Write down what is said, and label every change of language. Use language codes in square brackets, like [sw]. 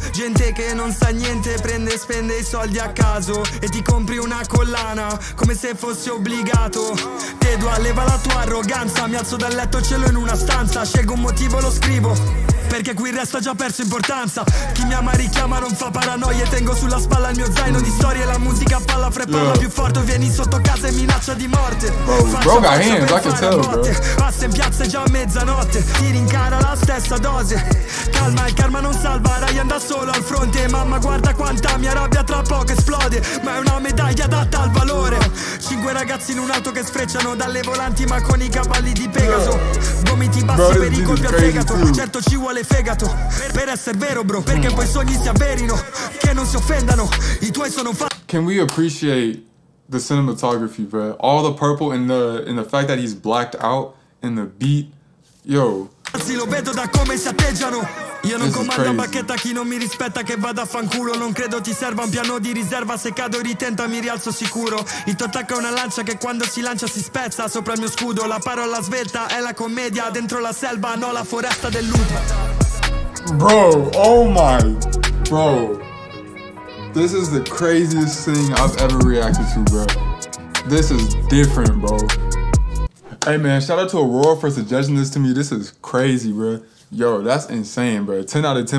[it] Gente che non sa niente, prende e spende i soldi a caso e ti compri una collana come se fossi obbligato. Tedua, leva la tua arroganza, mi alzo dal letto, cielo in una stanza, scelgo un motivo, lo scrivo. Perché qui il resto ha già perso importanza. Chi mi ama richiama non fa paranoia. Tengo sulla spalla il mio zaino di storie. La musica palla fra palla più forte. Vieni sotto casa e minaccia di morte. [en] Bro, got hands, I can tell, bro. [it] Passa in piazza già a mezzanotte. Ti rincara la stessa dose. Calma, il karma non salva. Ryan da solo al fronte. Mamma, guarda quanta mia rabbia tra poco esplode. Ma è una medaglia data al valore. 5 ragazzi in un'auto che sfrecciano dalle volanti ma con i cavalli di Pegaso. Gomiti bassi per i colpi al fegato. Certo ci vuole fegato per essere vero, bro, perché poi sogni si avverino, che non si offendano, i tuoi sono fa. [en] Can we appreciate the cinematography, bro? All the purple and the fact that he's blacked out in the beat. Yo, [it] anzi lo vedo da come si atteggiano. Io non comando la bacchetta, chi non mi rispetta che vada a fanculo. Non credo ti serva un piano di riserva, se cado ritenta mi rialzo sicuro. Il tuo attacco è una lancia che quando si lancia si spezza. Sopra il mio scudo la parola svelta è la commedia. Dentro la selva, no, la foresta del lupo. [en] Bro, oh my. Bro, this is the craziest thing I've ever reacted to, bro. This is different, bro. Hey, man, shout out to Aurora for suggesting this to me. This is crazy, bro. Yo, that's insane, bro. 10 out of 10.